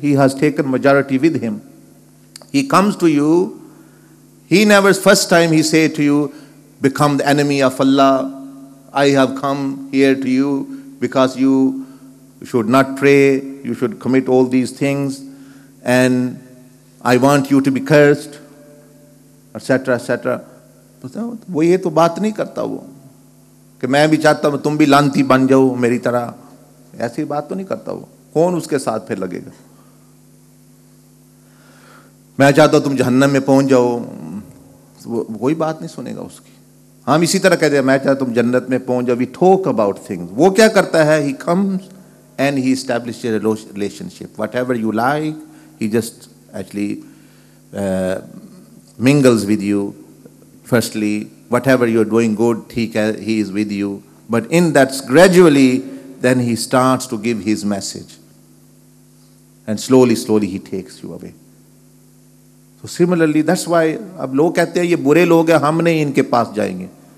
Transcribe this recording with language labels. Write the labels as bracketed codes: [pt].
[en] He has taken majority with him. He comes to you, he never, first time he say to you, become the enemy of Allah. I have come here to you because you should not pray, you should commit all these things, and I want you to be cursed, etc., etc. [ur] وہ یہ تو بات نہیں کرتا, وہ کہ میں بھی چاہتا ہوں تم بھی لانتی بن جاؤ میری طرح, ایسی بات تو نہیں کرتا, وہ کون اس کے ساتھ پھر لگے گا. میں چاہتا ہوں تم جہنم میں پہنچ جاؤ, وہ کوئی بات نہیں سنے گا اس کی. ہم اسی طرح کہتے ہیں میں چاہتا ہوں تم جنت میں پہنچ جاؤ, [en] We talk about things. [ur] وہ کیا کرتا ہے, [en] He comes and he establish a relationship, whatever you like, he just actually mingles with you. Firstly, whatever you're doing good, he is with you. But in that, gradually, Then he starts to give his message. And slowly, slowly he takes you away. So similarly, that's why [ur] ab log kehte hain ye bure log hain, hum nahi inke paas jayenge.